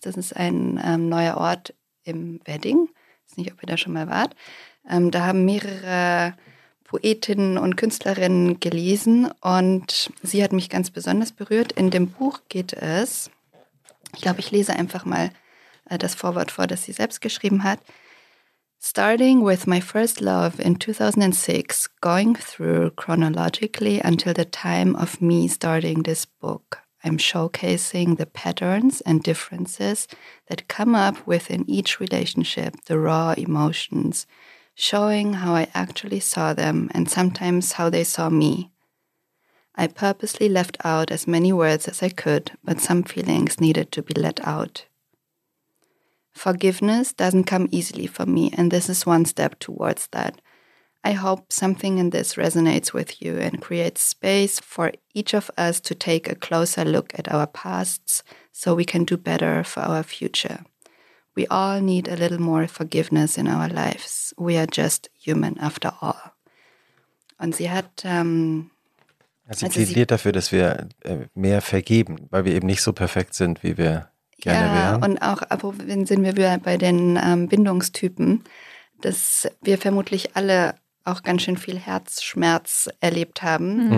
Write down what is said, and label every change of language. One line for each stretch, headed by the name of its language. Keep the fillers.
German: Das ist ein ähm, neuer Ort im Wedding. Ich weiß nicht, ob ihr da schon mal wart. Ähm, da haben mehrere Poetinnen und Künstlerinnen gelesen und sie hat mich ganz besonders berührt. In dem Buch geht es, ich glaube, ich lese einfach mal äh, das Vorwort vor, das sie selbst geschrieben hat.
English: Starting with my first love in 2006, going through chronologically until the time of me starting this book, I'm showcasing the patterns and differences that come up within each relationship, the raw emotions, showing how I actually saw them and sometimes how they saw me. I purposely left out as many words as I could, but some feelings needed to be let out. Forgiveness doesn't come easily for me, and this is one step towards that. I hope something in this resonates with you and creates space for each of us to take a closer look at our pasts so we can do better for our future. We all need a little more forgiveness in our lives. We are just human after all.
German: Und sie hat ähm, Sie Also sie- plädiert dafür, dass wir äh, mehr vergeben, weil wir eben nicht so perfekt sind, wie wir gerne ja, wären. Und auch, apropos, dann sind wir wieder bei den ähm, Bindungstypen, dass wir vermutlich alle auch ganz schön viel Herzschmerz erlebt haben.